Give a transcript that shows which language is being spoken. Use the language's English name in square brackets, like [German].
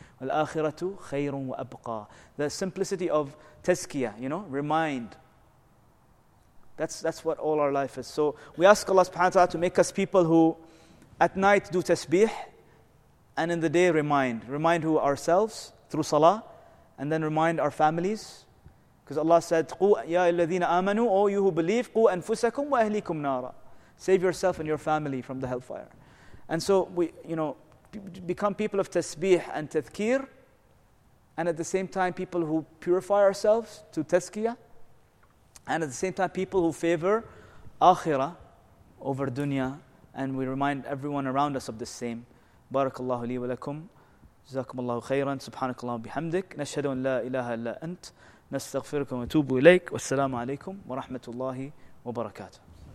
[Arabic] وَالْآخِرَةُ خَيْرٌ وَأَبْقَى. [English] The simplicity of tazkiyah, you know, remind. That's what all our life is. So we ask Allah subhanahu wa ta'ala to make us people who at night do tasbih and in the day remind. Remind who? Ourselves through salah, and then remind our families. Because Allah said, [Arabic] قُوْ يَا الَّذِينَ آمَنُوا, [English] O you who believe, [Arabic] قُوْ أَنفُسَكُمْ وَأَهْلِكُمْ نَارًا. [English] Save yourself and your family from the hellfire. And so we, you know, become people of tasbih and tazkir, and at the same time people who purify ourselves to tazkiyah, and at the same time people who favor akhirah over dunya, and we remind everyone around us of the same. [Arabic] Barakallahu li wa lakum. Jazakumullahu khayran. Subhanakallahu bihamdik. Nashhadu an la ilaha illa ant. نستغفركم ونتوب إليك. والسلام عليكم ورحمة الله وبركاته.